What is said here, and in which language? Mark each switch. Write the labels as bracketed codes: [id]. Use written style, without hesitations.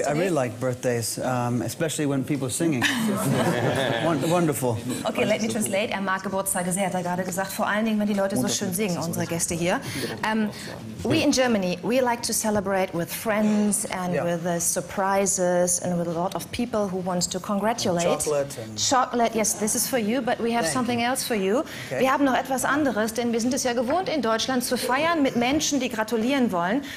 [en] Yeah, I really like birthdays, especially when people are singing. Wonderful. Okay, let me translate. [de] Er mag Geburtstage sehr, hat er gerade gesagt. Vor allen Dingen, wenn die Leute so schön singen, unsere Gäste hier. [en] We in Germany, we like to celebrate with friends and with surprises and with a lot of people who want to congratulate. Chocolate, yes, this is for you, but we have something else for you. Okay. [de] Wir haben noch etwas anderes, denn wir sind es ja gewohnt, in Deutschland zu feiern mit Menschen, die gratulieren wollen.